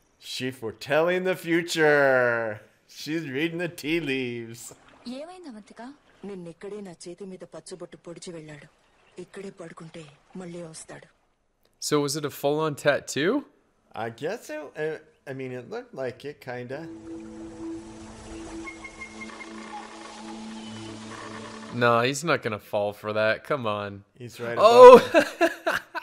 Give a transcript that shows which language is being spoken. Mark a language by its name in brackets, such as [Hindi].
[English] She foretelling the future. She's reading the tea leaves. [Telugu] ఏమైంది అమంతికా? నిన్నెక్కడే నా చేతి మీద పచ్చబొట్టు పొడిచి వెళ్ళాడు. ఇక్కడే పడుకుంటే మళ్ళీ వస్తాడు. [English] So was it a full-on tattoo? I guess it, I mean, it looked like it, kinda. Nah, he's not gonna fall for that. Come on. He's right above